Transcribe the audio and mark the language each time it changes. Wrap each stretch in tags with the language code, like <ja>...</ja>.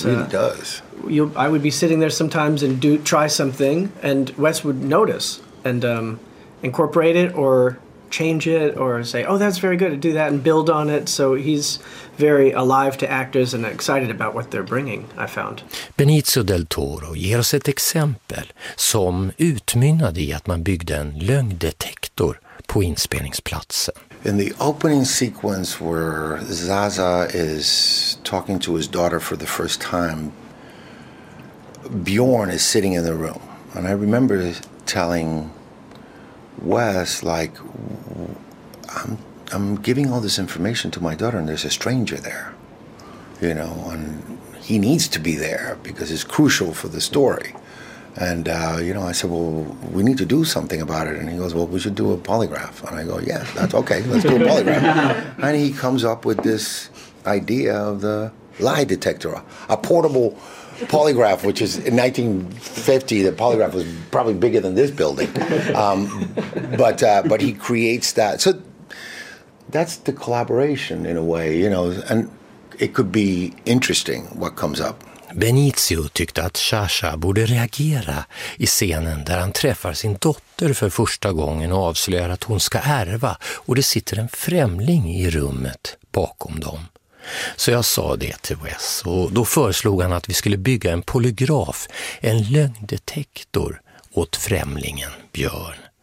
<en>he really does. I would be sitting there sometimes and try something and Wes would notice and incorporate it or change it or say, "Oh, that's very good," to do that and build on it. So he's very alive to actors and excited about what they're bringing, I found.</en> <sv>Benicio del Toro ger oss ett exempel som utmynnade i att man byggde en lögndetektor lyktor på inspelningsplatsen.</sv> <en>In the opening sequence where Zaza is talking to his daughter for the first time, Bjorn is sitting in the room. And I remember telling Wes, like, I'm giving all this information to my daughter and there's a stranger there, you know, and he needs to be there because it's crucial for the story. And, you know, I said, well, we need to do something about it. And he goes, well, we should do a polygraph. And I go, yeah, that's okay. Let's do a polygraph. And he comes up with this idea of the lie detector, a portable polygraph, which is in 1950, the polygraph was probably bigger than this building. But he creates that. So that's the collaboration in a way, you know, and it could be interesting what comes up.</en> <sv>Benicio tyckte att Sasha borde reagera i scenen där han träffar sin dotter för första gången och avslöjar att hon ska ärva och det sitter en främling i rummet bakom dem. Så jag sa det till Wes och då föreslog han att vi skulle bygga en polygraf, en lögndetektor åt främlingen Björn.</sv>